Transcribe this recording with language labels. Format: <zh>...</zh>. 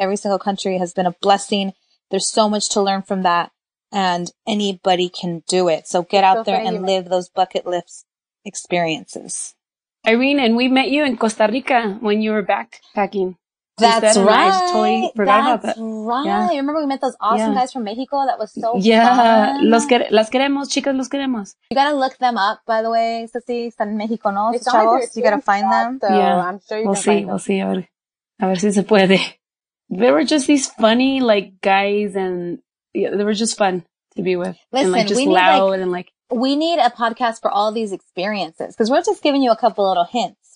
<en>Every single country has been a blessing. There's so much to learn from that, and anybody can do it. So get out there and live those bucket list experiences. Irene, and we met you in Costa Rica when you were backpacking. That's right. I totally forgot about that. That's right. Remember we met those awesome guys from Mexico? That was so fun. Yeah.</en> <es>Las queremos, chicas, los queremos.</es> <en>You got to look them up, by the way, Ceci, San Mexico,</en> <es>¿no? Chavos,</es> <en>you got to find them. So yeah. I'm sure you can find them. We'll see.</en> <es>A ver si se puede.</es> <en>There were just these funny, like, guys, and they were just fun to be with. Listen, and, like, just we need a podcast for all these experiences, because we're just giving you a couple little hints.</en>